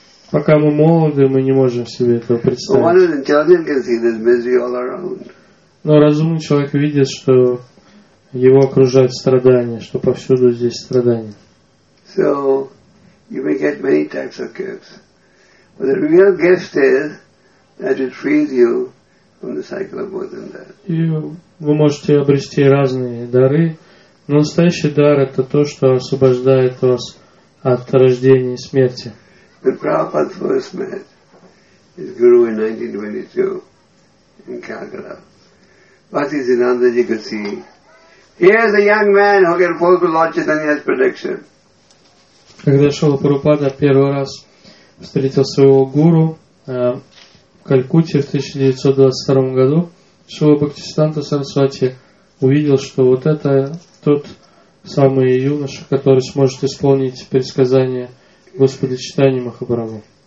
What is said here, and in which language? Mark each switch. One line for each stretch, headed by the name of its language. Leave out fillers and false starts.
Russian: Пока мы молоды, мы не можем себе этого представить. Но разумный человек видит, что его окружают страдания, что повсюду здесь страдания.
English: So, you may get many types of gifts. But the real gift is that it frees you from the cycle of birth and death.
Russian: И вы можете обрести разные дары, но настоящий дар – это то, что освобождает вас от рождения и смерти.
English: When Prabhupada first met his guru in 1922 in Calcutta, Bhaktisiddhanta Ji could see, here is a young man who can fulfill Lord Chaitanya's prediction.
Russian: Когда Шрила Прабхупада первый раз встретил своего гуру в Калькутте в 1922 году, Шрила Бхактисиддханта Сарасвати увидел, что вот это тот самый юноша, который сможет исполнить предсказание Господа Чайтаньи Махапрабху.